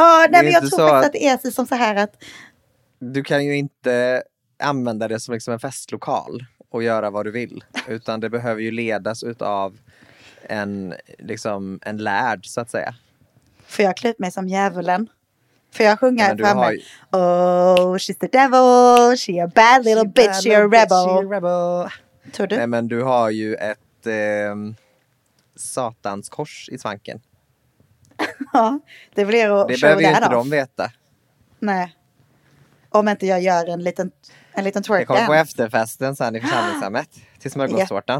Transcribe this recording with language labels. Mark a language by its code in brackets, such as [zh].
[sv] nej, men jag tror faktiskt att det är som så här att... Du kan ju inte... använda det som liksom en festlokal och göra vad du vill, utan det behöver ju ledas utav en liksom en lärd, så att säga. För jag klut mig som djävulen, för jag sjunger framme har... [en] Oh, she's the devil, she a bad little bitch, she a rebel. [sv] Tror du? Nej, men du har ju ett satans kors i svanken. Ja, det blir att det behöver ju inte de veta. Nej. Om inte jag gör en liten twerk. Det kommer på efterfesten sen i församlingssammet. Till smörgåstårtan.